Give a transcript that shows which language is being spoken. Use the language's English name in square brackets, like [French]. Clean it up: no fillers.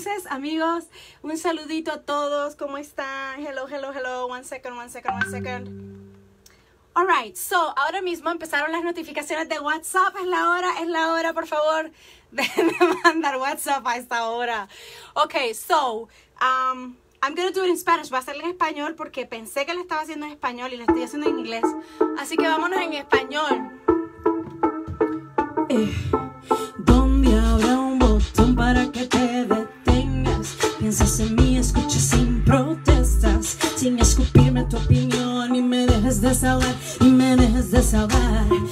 [Spanish] Amigos, un saludito a todos. ¿Cómo están? [English] Hello, hello, hello. One second, one second, one second. All right, so [Spanish] ahora mismo empezaron las notificaciones de WhatsApp. Es la hora, por favor, de mandar WhatsApp a esta hora. [English] Okay, so I'm gonna do it in Spanish. [Spanish] Voy a hacerla en español porque pensé que la estaba haciendo en español y la estoy haciendo en inglés. Así que vámonos en español. ¿Dónde habrá un botón para que te detengas? Piensas en mí, escuchas sin protestas, sin escupirme tu opinión y me dejes desahogar, y me dejes desahogar.